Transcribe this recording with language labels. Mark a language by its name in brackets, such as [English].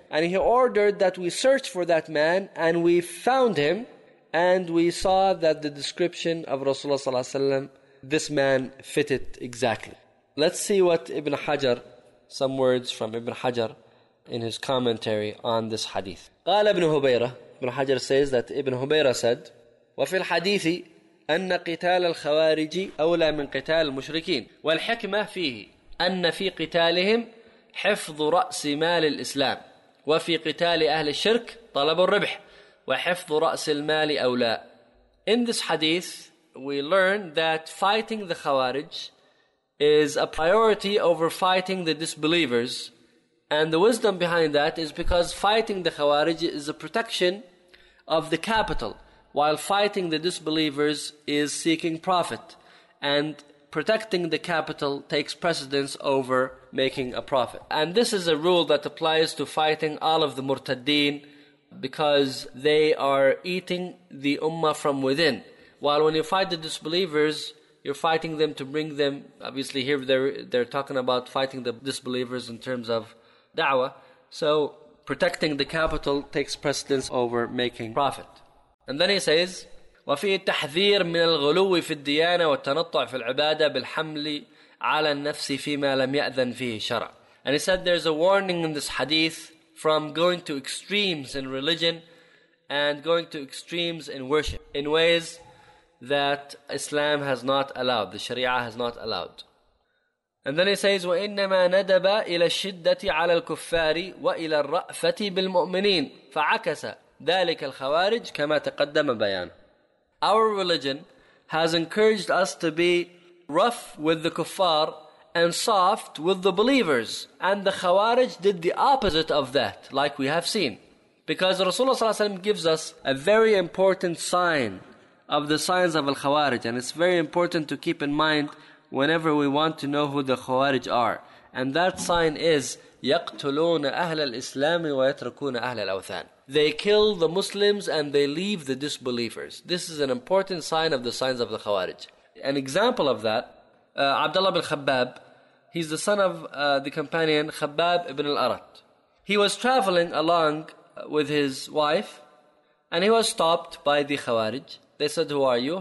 [English] And he ordered that we search for that man, and we found him, and we saw that the description of Rasulullah ﷺ, this man fitted exactly. Let's see what Ibn Hajar, some words from Ibn Hajar in his commentary on this hadith. [Arabic] قال ابن هبيرة, [English] Ibn Hajar says that Ibn هبيرة said, [Arabic] وفي الحديث أن قتال الخوارج أولى من قتال المشركين والحكمة فيه أن في قتالهم حفظ رأس مال الإسلام وفي قتال أهل الشرك طلب الربح وحفظ رأس المال أولى. [English] In this hadith, we learn that fighting the Khawarij is a priority over fighting the disbelievers. And the wisdom behind that is because fighting the Khawarij is a protection of the capital, while fighting the disbelievers is seeking profit. And protecting the capital takes precedence over making a profit. And this is a rule that applies to fighting all of the Murtaddeen, because they are eating the Ummah from within. While when you fight the disbelievers, you're fighting them to bring them, obviously here they're talking about fighting the disbelievers in terms of da'wah. So protecting the capital takes precedence over making profit. And then he says, [Arabic] وَفِي تَحْذِيرٍ مِنَ الْغُلُوِّ فِي الدِّيَانَةِ وَالتَّنَطُّعِ فِي الْعِبَادَةِ بِالْحَمْلِ عَلَى النَّفْسِ فِي مَا لَمْ يَأْذَنْ فِيهِ شَرَعٍ. [English] And he said there's a warning in this hadith from going to extremes in religion and going to extremes in worship in ways that Islam has not allowed, the Sharia has not allowed. And then he says, [Arabic] وَإِنَّمَا نَدَبَ إِلَى الشِّدَّةِ عَلَى الْكُفَّارِ وَإِلَى الرَّأْفَةِ بِالْمُؤْمِنِينَ فَعَكَسَ ذَلِكَ الْخَوَارِجِ كَمَا تَقَدَّمَ بَيَانٌ. [English] Our religion has encouraged us to be rough with the kuffar and soft with the believers. And the Khawarij did the opposite of that, like we have seen. Because Rasulullah ﷺ gives us a very important sign of the signs of Al-Khawarij. And it's very important to keep in mind whenever we want to know who the Khawarij are. And that sign is, [Arabic] يَقْتُلُونَ أَهْلَ الْإِسْلَامِ وَيَتْرَكُونَ أَهْلَ الْأَوْثَانِ. [English] They kill the Muslims and they leave the disbelievers. This is an important sign of the signs of the Khawarij. An example of that, Abdullah bin Khabbab, he's the son of the companion Khabbab ibn al-Arat. He was traveling along with his wife and he was stopped by the Khawarij. They said, who are you?